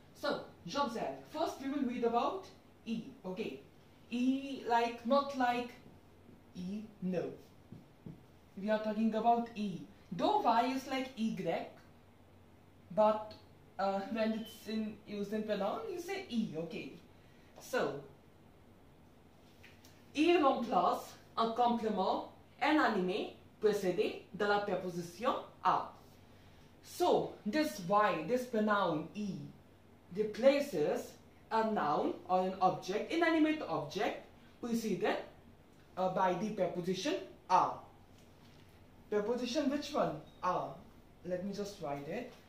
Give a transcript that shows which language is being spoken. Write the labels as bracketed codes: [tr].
[en] So, j'observe. First, we will read about I. Okay, I like, not like I, no. We are talking about I. Though Y is like Y, but when it's used in pronoun, you say E, okay. [fr] So, E remplace un complément inanimé précédé de la préposition A. [en] So, this Y, this pronoun E, replaces a noun or an object, inanimate object, preceded by the preposition A. Preposition which one? A. Let me just write it.